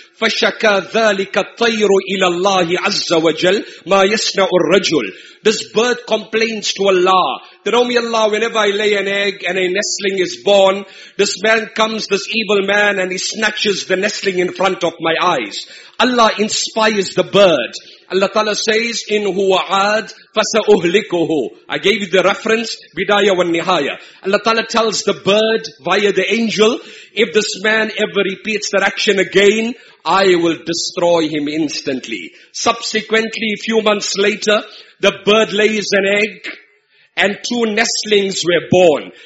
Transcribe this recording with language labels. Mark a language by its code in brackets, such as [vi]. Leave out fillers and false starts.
[ar] فَشَكَى ذَلِكَ الطَّيْرُ إِلَى اللَّهِ عَزَّ وَجَلْ مَا يَسْنَعُ الرَّجُلُ. [en] This bird complains to Allah. That, oh me Allah, whenever I lay an egg and a nestling is born, this man comes, this evil man, and he snatches the nestling in front of my eyes. Allah inspires the bird. Allah Ta'ala says, [ar] إِنْ هُوَ عَاد فَسَأُهْلِكُهُ. [en] I gave you the reference, Bidayah wa Nihaya. Allah Ta'ala tells the bird via the angel, if this man ever repeats that action again, I will destroy him instantly. Subsequently, a few months later, the bird lays an egg and two nestlings were born.